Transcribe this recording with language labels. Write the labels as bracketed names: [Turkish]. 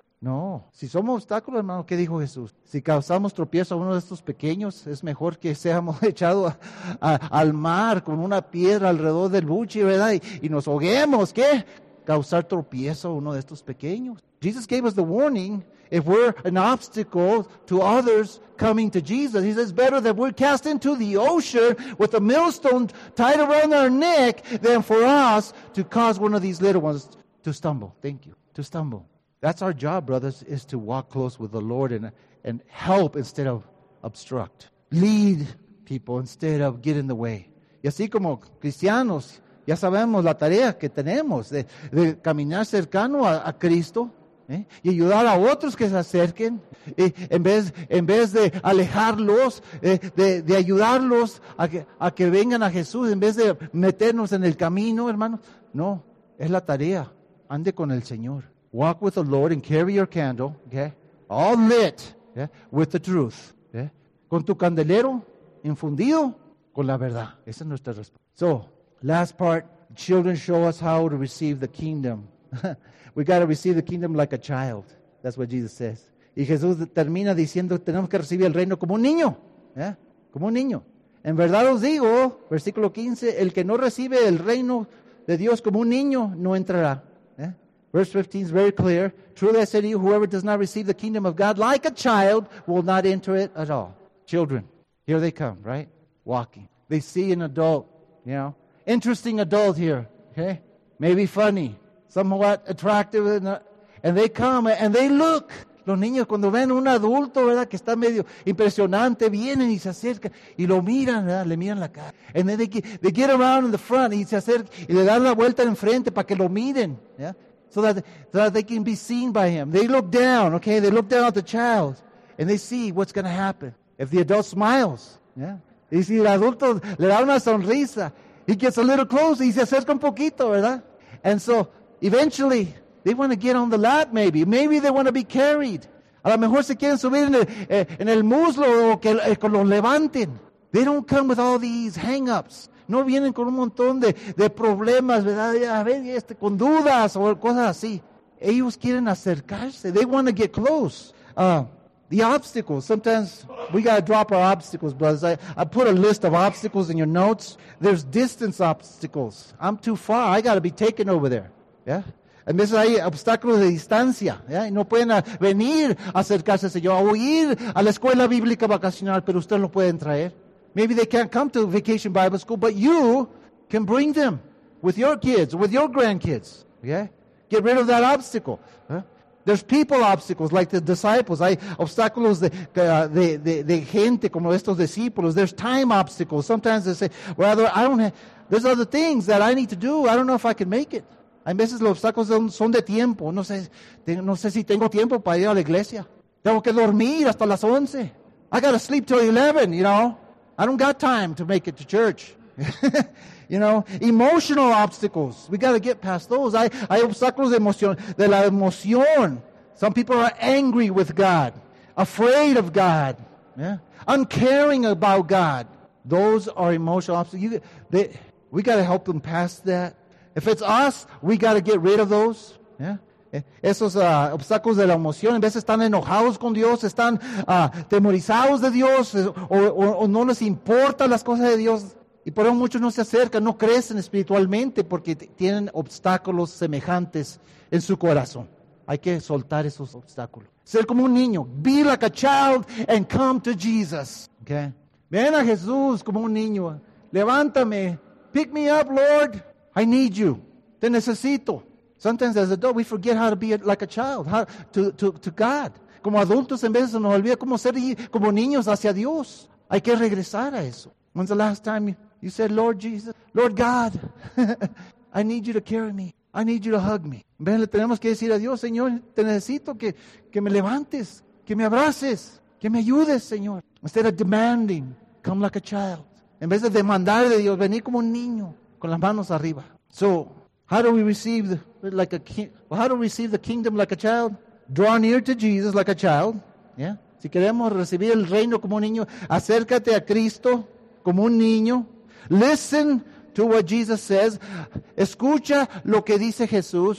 [Spanish] No, si somos obstáculos, hermano, ¿qué dijo Jesús? Si causamos tropiezo a uno de estos pequeños, es mejor que seamos echados al mar con una piedra alrededor del buche, ¿verdad? Y nos ahoguemos, ¿qué? Causar tropiezo a uno de estos pequeños. [English] Jesus gave us the warning, if we're an obstacle to others coming to Jesus, he says it's better that we're cast into the ocean with a millstone tied around our neck than for us to cause one of these little ones to stumble. Thank you. To stumble. That's our job, brothers, is to walk close with the Lord and help instead of obstruct. Lead people instead of get in the way. [Spanish] Y así como cristianos, ya sabemos la tarea que tenemos de caminar cercano a Cristo y ayudar a otros que se acerquen en vez de alejarlos, de ayudarlos a que vengan a Jesús en vez de meternos en el camino, hermano. No, es la tarea. Ande con el Señor. [English] Walk with the Lord and carry your candle, okay? All lit, yeah? With the truth, yeah? [Spanish] Con tu candelero infundido con la verdad. Esa es nuestra respuesta. [English] So, last part, children show us how to receive the kingdom. We got to receive the kingdom like a child. That's what Jesus says. [Spanish] Y Jesús termina diciendo, tenemos que recibir el reino como un niño, yeah? Como un niño. En verdad os digo, versículo 15, el que no recibe el reino de Dios como un niño no entrará. [English] Verse 15 is very clear. Truly I say to you, whoever does not receive the kingdom of God like a child will not enter it at all. Children, here they come, right? Walking. They see an adult, you know. Interesting adult here, okay? Maybe funny. Somewhat attractive. And they come and they look. [Spanish] Los niños cuando ven un adulto, ¿verdad? Que está medio impresionante, vienen y se acercan y lo miran, ¿verdad? Le miran la cara. [English] And then they get around in the front [Spanish] y se acercan y le dan la vuelta en frente para que lo miren, ¿ya? [English] So that they can be seen by him. They look down, okay? They look down at the child, and they see what's going to happen. If the adult smiles, yeah? [Spanish] Y si el adulto le da una sonrisa, [English] he gets a little closer, [Spanish] y se acerca un poquito, ¿verdad? [English] And so, eventually, they want to get on the lap, maybe. Maybe they want to be carried. [Spanish] A lo mejor se quieren subir en el muslo o que lo levanten. [English] They don't come with all these hang-ups. [Spanish] No vienen con un montón de problemas, ¿verdad? A ver, con dudas o cosas así. Ellos quieren acercarse. [English] They want to get close. The obstacles. Sometimes we got to drop our obstacles, brothers. I put a list of obstacles in your notes. There's distance obstacles. I'm too far. I got to be taken over there. Yeah? [Spanish] A veces hay obstáculos de distancia. Yeah? Y no pueden venir a acercarse al Señor. O ir a la escuela bíblica vacacional, pero ustedes lo pueden traer. [English] Maybe they can't come to Vacation Bible School, but you can bring them with your kids, with your grandkids. Okay? Get rid of that obstacle. Huh? There's people obstacles, like the disciples. [Spanish] Hay obstáculos de gente, como estos discípulos. [English] There's time obstacles. Sometimes they say, rather, I don't have, there's other things that I need to do. I don't know if I can make it. [Spanish] Hay veces los obstáculos son de tiempo. No sé si tengo tiempo para ir a la iglesia. Tengo que dormir hasta las 11. [English] I got to sleep till 11, you know? I don't got time to make it to church. You know, emotional obstacles. We got to get past those. [Spanish] Hay obstáculos de la emoción. [English] Some people are angry with God, afraid of God, yeah? Uncaring about God. Those are emotional obstacles. We got to help them past that. If it's us, we got to get rid of those. Yeah. [Spanish] Esos obstáculos de la emoción, en vez están enojados con Dios, están temorizados de Dios, o no les importan las cosas de Dios. Y por eso muchos no se acercan, no crecen espiritualmente porque tienen obstáculos semejantes en su corazón. Hay que soltar esos obstáculos. Ser como un niño. [English] Be like a child and come to Jesus. [Spanish] Okay. Ven a Jesús como un niño. Levántame. [English] Pick me up, Lord. I need you. [Spanish] Te necesito. [English] Sometimes as adults we forget how to be like a child, how to God. [Spanish] Como adultos en vez se nos olvida cómo ser como niños hacia Dios. Hay que regresar a eso. [English] When's the last time you said, Lord Jesus, Lord God, I need you to carry me. I need you to hug me. [Spanish] Ven, le tenemos que decir a Dios, Señor, te necesito que me levantes, que me abraces, que me ayudes, Señor. [English] Instead of demanding, come like a child. [Spanish] En vez de demandar de Dios, venir como un niño con las manos arriba. [English] So, how do we receive the kingdom like a child? Draw near to Jesus like a child. [Spanish] Yeah. Si queremos recibir el reino como un niño, acércate a Cristo como un niño. [English] Listen to what Jesus says. [Spanish] Escucha lo que dice Jesús.